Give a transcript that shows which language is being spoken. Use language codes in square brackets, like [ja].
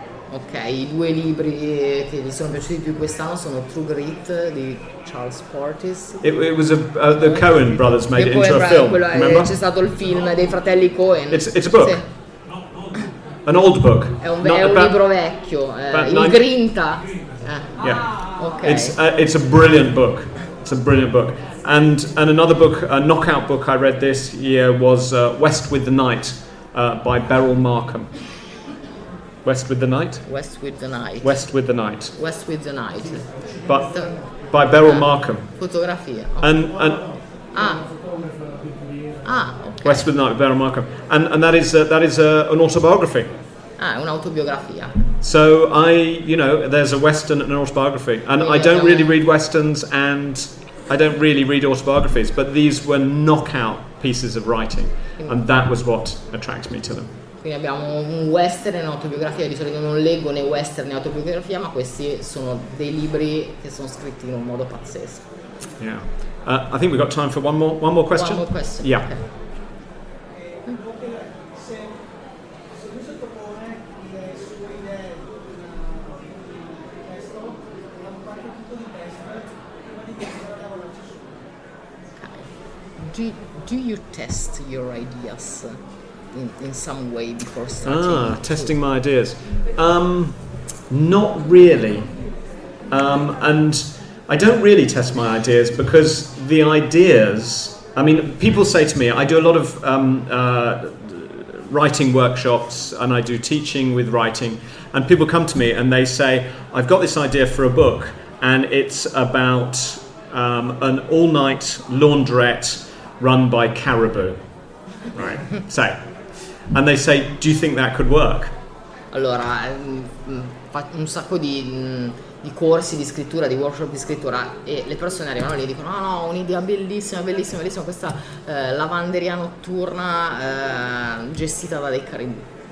[it] Okay, i due libri che mi sono piaciuti più quest'anno sono True Grit di Charles Portis. [en] It was the Coen brothers made it into a film. Remember? [it] C'è stato il film dei fratelli Coen. [en] It's a book. An old book. [it] È un libro vecchio. Il Grinta. [en] Yeah. Okay. It's a brilliant book. It's a brilliant book. And another book, a knockout book I read this year was West with the Night by Beryl Markham. West with the Night? West with the Night. West with the Night. West with the Night. But by Beryl Markham. [it] Fotografia. Okay. [en] Okay. West with the Night by Beryl Markham. And that is an autobiography. [it] Un'autobiografia. [en] So there's a Western and an autobiography. And I don't really read Westerns and I don't really read autobiographies, but these were knockout pieces of writing, and that was what attracted me to them. [it] Quindi abbiamo un western e un'autobiografia. Di solito non leggo né western né autobiografia, ma questi sono dei libri che sono scritti in un modo pazzesco. [en] Yeah, I think we've got time for one more question. One more question. Yeah. Okay. Do you test your ideas in some way before starting? Testing my ideas. Not really. And I don't really test my ideas because the ideas... I mean, people say to me, I do a lot of writing workshops and I do teaching with writing, and people come to me and they say, I've got this idea for a book, and it's about an all-night laundrette run by caribou, right? So, and they say, do you think that could work? [it] Allora, un sacco di corsi di scrittura, di workshop di scrittura, e le persone arrivano lì e dicono, no, un'idea bellissima, bellissima, bellissima, questa lavanderia notturna gestita da dei caribou.